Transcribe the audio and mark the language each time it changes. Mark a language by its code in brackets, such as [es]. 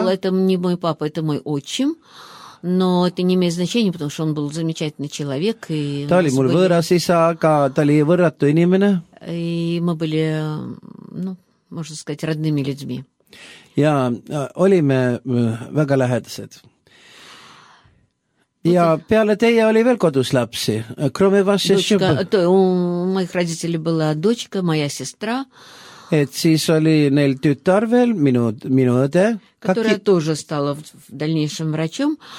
[ru] Он был, это не мой папа, это мой отчим, но это не имеет значения, потому что он был замечательный человек. [et] Ta oli mul võõras isa, aga ta oli võrratu inimene. [ru] И мы были, ну, можно сказать, родными людьми. [et] Ja olime väga lähedased. Ja peale teie oli veel kodus lapsi. [ru] Кроме вас ещё то у моих родителей была дочка, моя сестра. [et] Et siis oli neil tütar veel, minu õde. [ru] Которая тоже стала в дальнейшем врачом.